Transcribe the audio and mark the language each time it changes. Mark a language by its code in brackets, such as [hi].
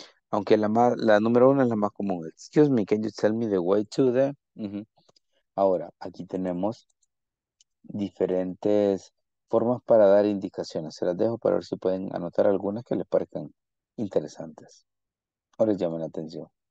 [es] Aunque la número uno es la más común. [en] Excuse me, can you tell me the way to the... [es] Ahora, aquí tenemos diferentes formas para dar indicaciones. Se las dejo para ver si pueden anotar algunas que les parezcan interesantes o les llamen la atención.